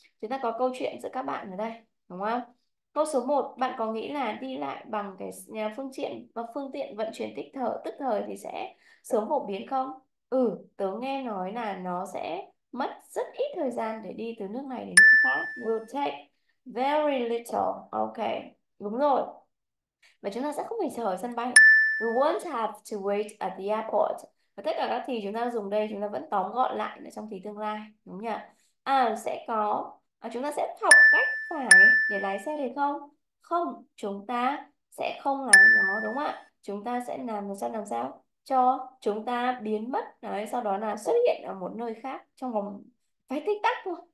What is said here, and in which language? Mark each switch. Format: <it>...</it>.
<vi>Chúng ta có câu chuyện giữa các bạn ở đây, đúng không? Câu số 1, bạn có nghĩ là đi lại bằng cái phương tiện vận chuyển tức thời thì sẽ sớm phổ biến không? Ừ, tớ nghe nói là nó sẽ mất rất ít thời gian để đi từ nước này đến nước khác.</vi> <en>Will take very little. Ok,</en> <vi>đúng rồi. Và chúng ta sẽ không phải chờ ở sân bay.</vi> <en>We won't have to wait at the airport.</en> <vi>Và tất cả các thì chúng ta dùng đây, chúng ta vẫn tóm gọn lại trong thì tương lai, đúng nhỉ? À, sẽ có. À, chúng ta sẽ học cách phải để lái xe thì không? Không, chúng ta sẽ không lái nó, đúng không ạ? Chúng ta sẽ làm sao cho chúng ta biến mất đấy, sau đó là xuất hiện ở một nơi khác trong vòng vài tích tắc thôi.</vi>